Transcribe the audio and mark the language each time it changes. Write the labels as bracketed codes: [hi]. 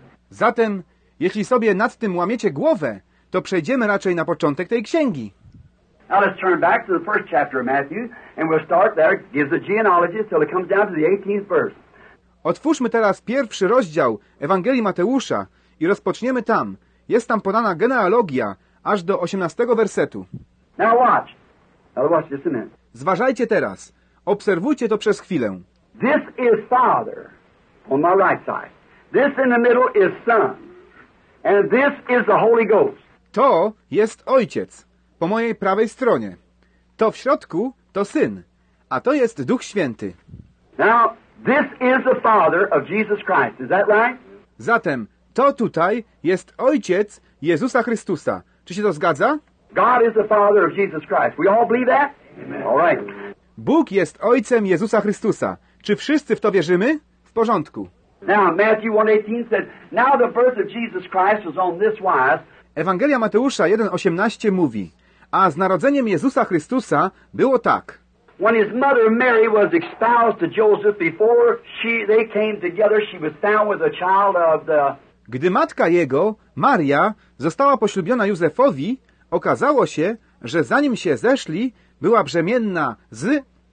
[pl] Zatem, jeśli sobie nad tym łamiecie głowę, to przejdziemy raczej na początek tej księgi. [en] Now let's turn back to the first chapter of Matthew and we'll start there. It gives the genealogy till it comes down to the 18th verse. [pl] Otwórzmy teraz pierwszy rozdział Ewangelii Mateusza i rozpoczniemy tam. Jest tam podana genealogia aż do 18 wersetu. [en] Now watch. Now watch just a minute. [pl] Zważajcie teraz. Obserwujcie to przez chwilę. [en] This is Father on my right side. This in the middle is Son. And this is the Holy Ghost. [pl] To jest Ojciec po mojej prawej stronie. To w środku to Syn, a to jest Duch Święty. [en] Now, this is the Father of Jesus Christ. Is that right? [pl] Zatem, to tutaj jest Ojciec Jezusa Chrystusa. Czy się to zgadza? [en] God is the Father of Jesus Christ. We all believe that? Amen. All right. [pl] Bóg jest Ojcem Jezusa Chrystusa. Czy wszyscy w to wierzymy? W porządku. [en] Now, Matthew 1:18 said, now the birth of Jesus Christ was on this wise. [pl] Ewangelia Mateusza 1:18 mówi: a z narodzeniem Jezusa Chrystusa było tak. [en] When his mother Mary was espoused to Joseph before they came together, she was found with a child of the [pl] Gdy matka jego, Maria, została poślubiona Józefowi, okazało się, że zanim się zeszli, była brzemienna z...